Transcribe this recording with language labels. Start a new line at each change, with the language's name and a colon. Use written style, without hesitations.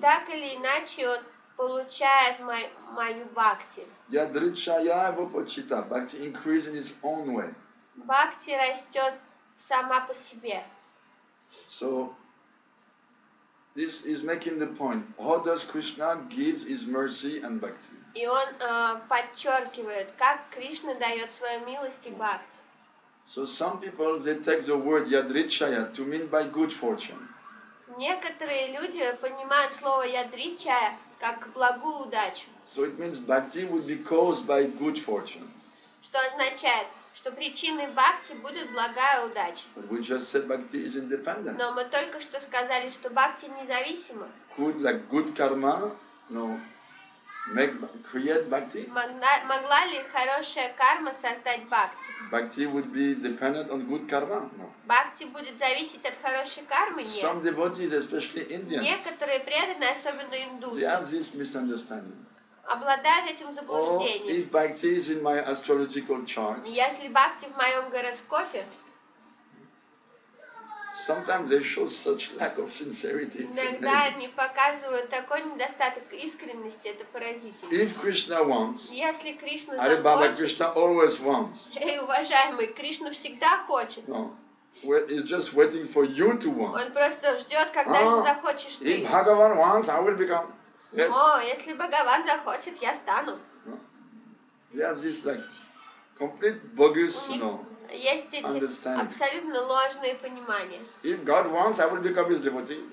Russian: Так или иначе, он получает мою бхакти.
English: Yadrichaya
Russian: его почита.
English: Бхакти increase in his own way.
Russian: Бхакти растет сама по себе.
English: So this is making the point. How does Krishna give his mercy and bhakti?
Russian: И он подчеркивает, как Кришна дает свою милость и бхакти.
English: So some people they take the word yadrichaya to mean by good fortune.
Russian: Некоторые люди понимают слово yadrichaya как благую удачу.
English: So it means bhakti would be caused by good fortune.
Russian: Что означает, что причиной бхакти будет благая удача.
English: But we just said bhakti is independent.
Russian: Но мы только что сказали, что бхакти независима.
English: Could like good karma, no, make create bhakti?
Russian: Могла ли хорошая карма создать бхакти?
English: Bhakti would be dependent on good karma, no.
Russian: Бхакти будет зависеть от хорошей кармы? Нет.
English: Some devotees, especially Indians,
Russian: некоторые преданные, особенно индусы,
English: they have this misunderstanding.
Russian: Обладают этим заблуждением.
English: Or if bhakti is in my astrological chart,
Russian: если бхакти в моем гороскопе,
English: sometimes they show such lack of sincerity.
Russian: Иногда они показывают такой недостаток искренности, это поразительно.
English: If Krishna wants,
Russian: если Кришна захочет,
English: Alibaba Krishna always wants.
Russian: Эй, уважаемый, Кришна всегда хочет.
English: No. Well, he's just waiting for you to want.
Russian: Он просто ждет, когда же захочешь ты.
English: If Bhagavan wants, I will become. Yes.
Russian: О, если Бхагаван захочет, я стану.
English: Yeah, this like complete bogus, no.
Russian: Есть эти абсолютно ложные понимания.
English: If God wants, I will become his devotee.